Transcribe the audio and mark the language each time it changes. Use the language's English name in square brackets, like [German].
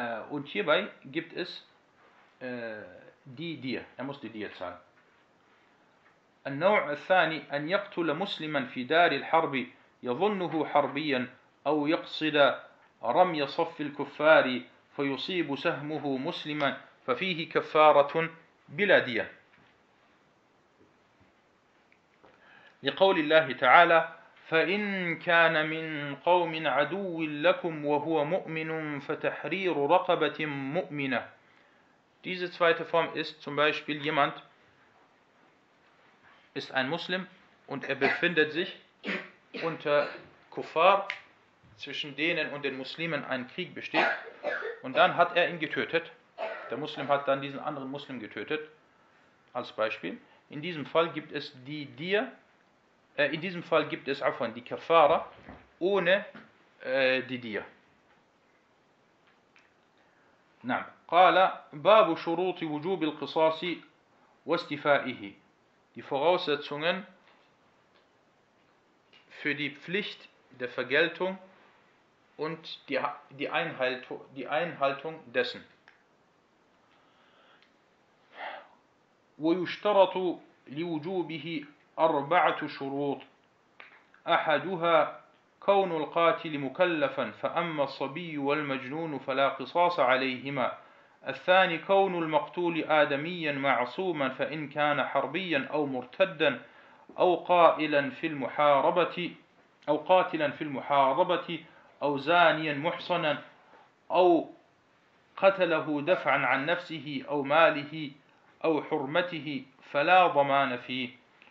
[German] Und hierbei gibt es er muss die Diyah zahlen. [Arabic] النوع الثاني أن يقتل مسلما في دار الحرب يظنه حربيا أو يقصد رمي صف الكفار فيصيب سهمه مسلما ففيه كفارة بلا دية. لقول الله تعالى فإن كان من قوم عدو لكم وهو مؤمن فتحرير رقبة مؤمنة. [German] Diese zweite Form ist zum Beispiel, jemand ist ein Muslim und er befindet sich unter Kuffar, zwischen denen und den Muslimen ein Krieg besteht, und dann hat er ihn getötet. Der Muslim hat dann diesen anderen Muslim getötet, als Beispiel. In diesem Fall gibt es die Dir, in diesem Fall gibt es Afan, die Kafara, ohne die Dir. [Arabic] نعم. قال باب شروط وجوب القصاص واستيفائه. [German] Die Voraussetzungen für die Pflicht der Vergeltung und die Einhaltung dessen. [Arabic] ويشترط لوجوبه أربعة شروط. أحدها كون القاتل مكلفا فأما الصبي والمجنون فلا قصاص عليهما. الثاني كون المقتول آدميا معصوما فإن كان حربيا أو مرتدا أو قائلا في المحاربة أو قاتلا في المحاربة أو زانيا محصنا أو قتله دفعا عن نفسه أو ماله أو حرمته فلا ضمان فيه.